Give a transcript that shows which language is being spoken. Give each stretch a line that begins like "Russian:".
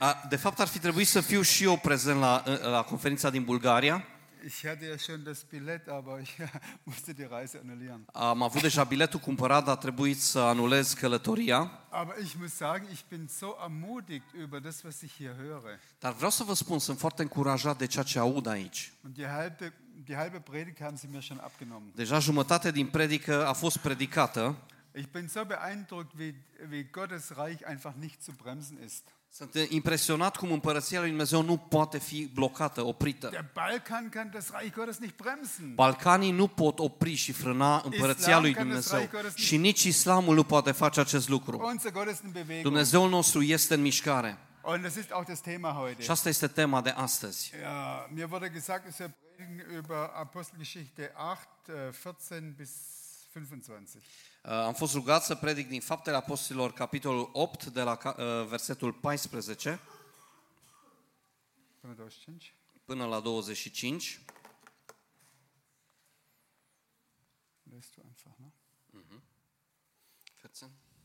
Romanian: De fapt ar fi trebuit să fiu și eu prezent la conferința din Bulgaria.
German: Ich hatte ja schon das Billett, aber ich musste die Reise annullieren.
Romanian: Am avut deja biletul cumpărat, dar a trebuit să anulez călătoria.
German: Aber ich muss sagen, ich bin so ermutigt über das, was ich hier höre.
Romanian: Dar vreau să vă spun, sunt foarte încurajat de ceea ce aud aici.
German: Und die halbe Predigt haben sie mir schon abgenommen.
Romanian: Deja jumătate din predică a fost predicată.
German: Ich bin so beeindruckt, wie Gottes Reich einfach nicht zu bremsen ist.
Romanian: Sunt impresionat cum împărăția lui Dumnezeu nu poate fi blocată, oprită.
German: Der Balkan kann das Reich Gottes nicht bremsen.
Romanian: Balcanii nu pot opri și frâna împărăția lui Dumnezeu. Și nici islamul nu poate face acest lucru. Dumnezeul nostru este în mișcare.
German: Und das ist auch das Thema heute.
Romanian: Și asta este tema de astăzi.
German: Ja, mir wurde gesagt, dass wir predigen über Apostelgeschichte 8, 14 bis 25.
Romanian: Am fost rugat să predic din Faptele Apostolilor, capitolul 8, de la versetul 14 până, 25. Până la 25.
German: Lest du einfach, no? Uh-huh. 14.